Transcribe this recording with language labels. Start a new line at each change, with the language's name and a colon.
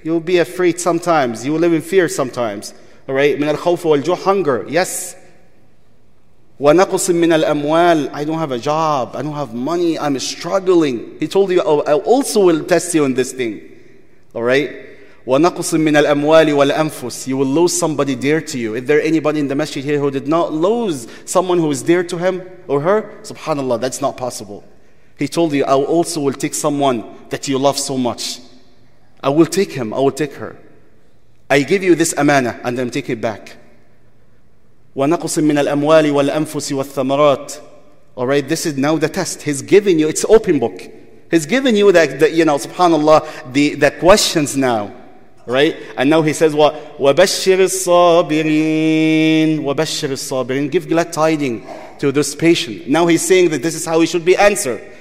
English: You'll be afraid sometimes. You will live in fear sometimes. Alright?
Arabic: مِنَ الْخَوْفِ وَالْجُوعِ.
English: Hunger. Yes.
Arabic: وَنَقُصٍ مِّنَ الْأَمْوَالِ.
English: I don't have a job. I don't have money. I'm struggling. He told you, oh, I also will test you in this thing. Alright?
Arabic: ونقص من الأموال والأنفس.
English: You will lose somebody dear to you. Is there anybody in the masjid here who did not lose someone who is dear to him or her? Subhanallah, that's not possible. He told you, I also will take someone that you love so much. I will take him, I will take her. I give you this amana and then take it back.
Arabic: ونقص من الأموال والأنفس والثمرات.
English: Alright, this is now the test. He's giving you, it's open book. He's giving you the questions now. Right? And now he says what?
Arabic: وَبَشِّرِ الصَّابِرِينَ وَبَشِّرِ الصَّابِرِينَ.
English: Give glad tiding to this patient. Now he's saying that this is how he should be answered.